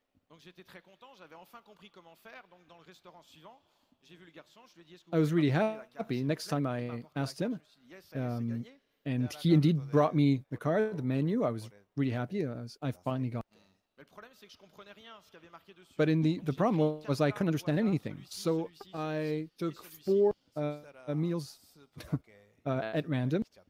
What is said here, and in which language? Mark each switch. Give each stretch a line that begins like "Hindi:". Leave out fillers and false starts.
French: Donc j'étais très content, j'avais enfin compris comment faire. Donc dans le restaurant suivant, j'ai vu le garçon, je lui ai dit est-ce que
English: I was really happy. Next time I asked him, and he indeed brought me the card, the menu. I was really happy. I finally got.
French: Mais le problème c'est que je comprenais rien ce qu'il y avait marqué dessus.
English: But in the problem was I couldn't understand anything. So I took four meals at random.